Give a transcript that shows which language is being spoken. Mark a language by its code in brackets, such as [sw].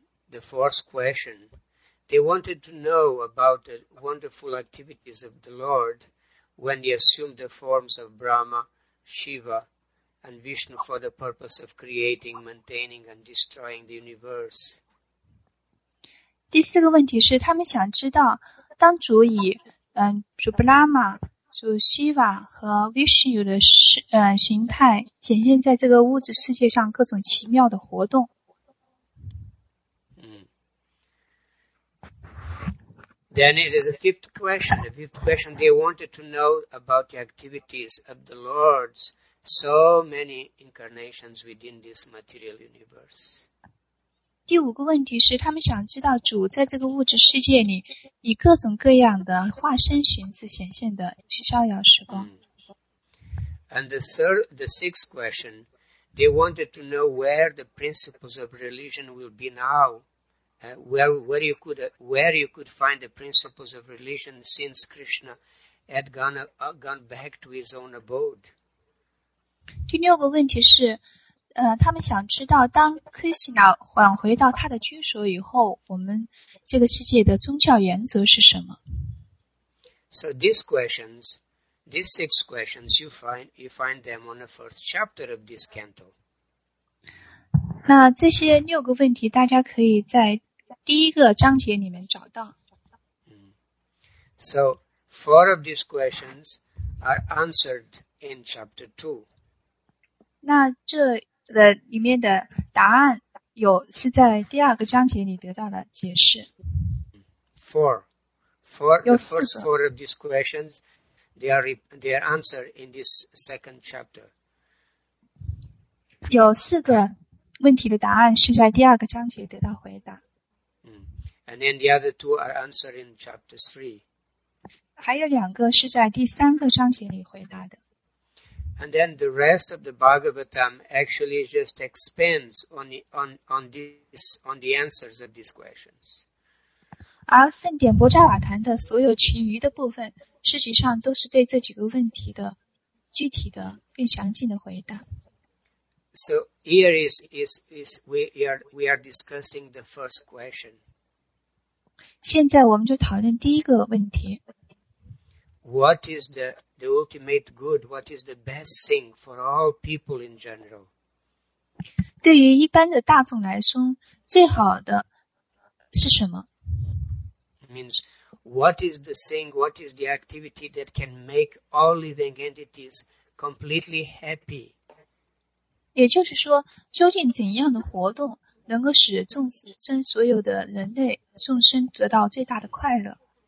[en] The fourth question. They wanted to know about the wonderful activities of the Lord when he assumed the forms of Brahma, Shiva, and Vishnu for the purpose of creating, maintaining, and destroying the universe. [zh] 第四个问题是他们想知道当主以主 Brahma, 主 Shiva 和 Vishnu 的形态显现在这个物质世界上各种奇妙的活动。 [en] Then it is a fifth question. The fifth question, they wanted to know about the activities of the Lord's so many incarnations within this material universe. [zh] 第五个问题是，他们想知道主在这个物质世界里以各种各样的化身形式显现的逍遥时光。 [en] And the sixth question, they wanted to know where the principles of religion will be now. Where you could find the principles of religion since Krishna had gone back to his own abode. [zh] 第六个问题是，他们想知道当 Krishna 返回到他的居所以后，我们这个世界的宗教原则是什么？ [en] So these questions, these six questions, you find them on the first chapter of this canto. [zh] 那这些六个问题大家可以在第一个章节里面找到。 [en] So four of these questions are answered in chapter two. [zh] 那这的里面的答案有是在第二个章节里得到的解释。 [en] The first four of these questions, they are answered in this second chapter. [zh] 有四个问题的答案是在第二个章节得到回答。 [en] And then the other two are answered in chapter three. [zh] 还有两个是在第三个章节里回答的。 [en] And then the rest of the Bhagavatam actually just expands on the answers of these questions. [zh] 而圣典波扎瓦坛的所有其余的部分，实际上都是对这几个问题的具体的更详尽的回答。 [en] So here we are discussing the first question. [zh] 现在我们就讨论第一个问题。 [en] What is the ultimate good? What is the best thing for all people in general? [zh] 对于一般的大众来说，最好的是什么？ [en] Means what is the thing? What is the activity that can make all living entities completely happy? [zh] 也就是说，究竟怎样的活动能够使众生所有的人类众生得到最大的快乐？